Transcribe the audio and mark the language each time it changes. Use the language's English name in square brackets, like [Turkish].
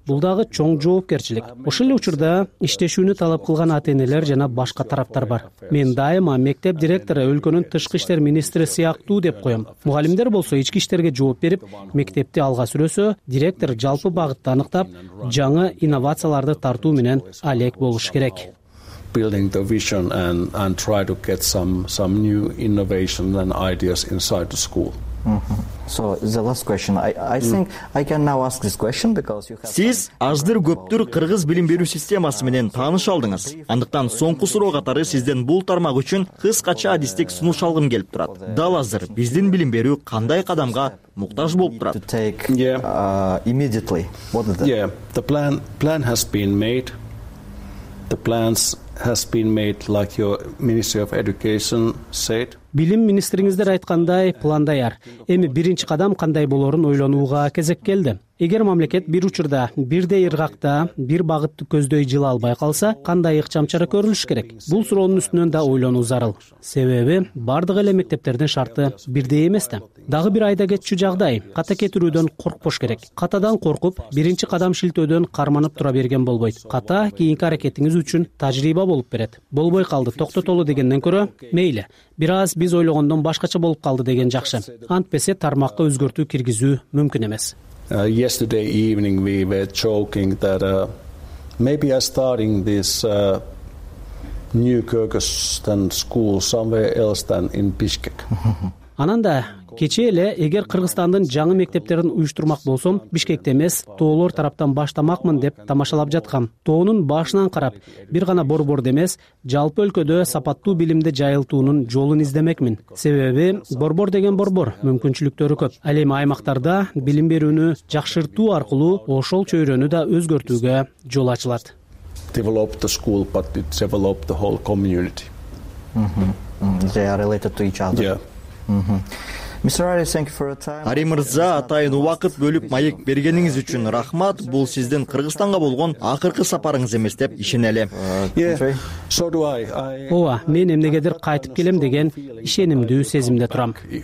[Kyrgyz] Бул дагы чоң жоопкерчилик. Ошол эле учурда иштешүүнү талап кылган ата-энелер жана башка тараптар бар. Мен дайыма мектеп директору өлкөнүн тышкы иштер министри сыяктуу деп коем. Мугалимдер болсо ички иштерге жооп берип, мектепти алга сүрөсө, директор жалпы багытты аныктап, жаңы инновацияларды тартуу менен алек болуш керек. [English] Building the vision and try to get some new innovation and ideas inside the school. So the last question. I think I can now ask this question because you have. [Kyrgyz] Сиз аздыр көптүр кыргыз билим берүү системасы менен тааныш алдыңыз. Андыктан соңку суроо катары сизден бул тармак үчүн кыскача адистик сунуш алгым келип турат. Дал азыр биздин билим берүү кандай кадамга муктаж болуп турат? [English] Immediately. What is that? Yeah. The plan has been made. Like your Ministry of Education said. [Kyrgyz] Билим министриңиздер айткандай план даяр. Эми биринчи кадам кандай болорун ойлонууга кезек келди. Эгер мамлекет бир учурда бирдей ыргакта бир багытты көздөй жыла албай калса, кандай ыкчам чара көрүлүш керек? Бул суроонун үстүнөн да ойлонуу зарыл. Себеби бардык эле мектептердин шарты бирдей эмес да. Дагы бир айда кетчү жагдай, ката кетирүүдөн коркпош керек. Катадан коркуп, биринчи кадам шилтөөдөн карманып тура берген болбойт. Ката кийинки аракетиңиз үчүн тажрыйба болуп берет. Болбой калды, токтотолу дегенден көрө, мейли, бир аз биз ойлогондон башкача болуп калды деген жакшы. Антпесе тармакка өзгөртүү киргизүү мүмкүн эмес. [English] Yesterday evening we were joking that maybe I'm starting this new Kyrgyzstan school somewhere else than in Bishkek. [Kyrgyz] Ананда кечээ эле эгер Кыргызстандын жаңы мектептерин уюштурмак болсом, Бишкекте эмес, тоолор тараптан баштамакмын деп тамашалап жаткам. Тоонун башынан карап, бир гана Борборду эмес, жалпы өлкөдө сапаттуу билимди жайылтуунун жолун издемекмин. Себеби, Борбор деген Борбор, мүмкүнчүлүктөрү көп. Ал эми аймактарда билим берүүнү жакшыртуу аркылуу ошол чөйрөнү да өзгөртүүгө жол ачылат. [English] Develop the school, but it develop the whole community. They are related to each other. Yeah. [Kyrgyz] Ари Мырза, атайын убакыт бөлүп маек бергениңиз үчүн рахмат. Бул сиздин Кыргызстанга болгон акыркы сапарыңыз эмес деп ишенелем. Ооба, мен эмнегедир кайтып келем деген ишенимдүү сезимде турам.